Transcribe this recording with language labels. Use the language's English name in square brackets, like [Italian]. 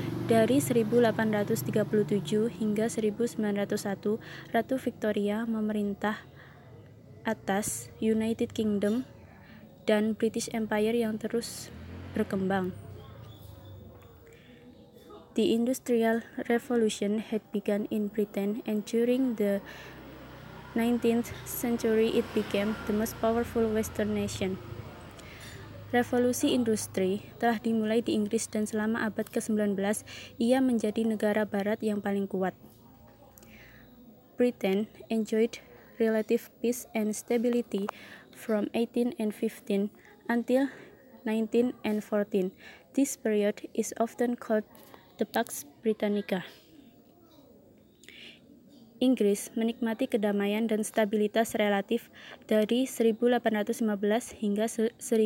[Indonesian] Dari 1837 hingga 1901, Ratu Victoria memerintah atas United Kingdom dan British Empire yang terus berkembang. [English] The Industrial Revolution had begun in Britain, and during the 19th century it became the most powerful Western nation. [Indonesian] Revolusi industri telah dimulai di Inggris, dan selama abad ke-19 ia menjadi negara barat yang paling kuat. [English] Britain enjoyed relative peace and stability from 1815 until 1914. This period is often called the Pax Britannica. [Indonesian] Inggris menikmati kedamaian dan stabilitas relatif dari 1815 hingga 1914.